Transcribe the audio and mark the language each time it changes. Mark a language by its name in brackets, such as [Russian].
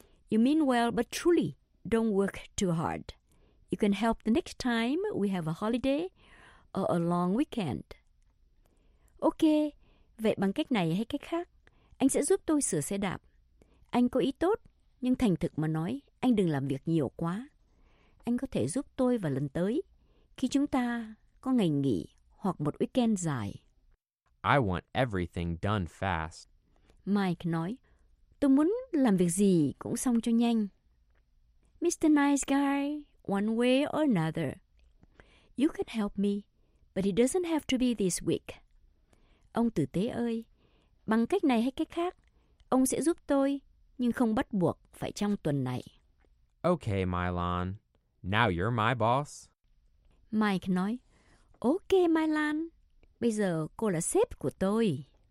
[English] You mean well, but truly, don't work too hard. You can help the next time we have a holiday or a long weekend. [Vietnamese] Ok, vậy bằng cách này hay cách khác, anh sẽ giúp tôi sửa xe đạp. Anh có ý tốt, nhưng thành thực mà nói, anh đừng làm việc nhiều quá. Anh có thể giúp tôi vào lần tới, khi chúng ta có ngày nghỉ hoặc một weekend dài. [English] I want everything done fast. [Vietnamese] Mike nói, tôi muốn làm việc gì cũng xong cho nhanh. [English] Mr. Nice Guy, one way or another, you can help me, but it doesn't have to be this week. [Vietnamese] Ông tử tế ơi, bằng cách này hay cách khác, ông sẽ giúp tôi, nhưng không bắt buộc phải trong tuần này. [English] Okay, Mylan, now you're my boss. [Vietnamese] Mike nói, ok, Mylan, bây giờ cô là sếp của tôi.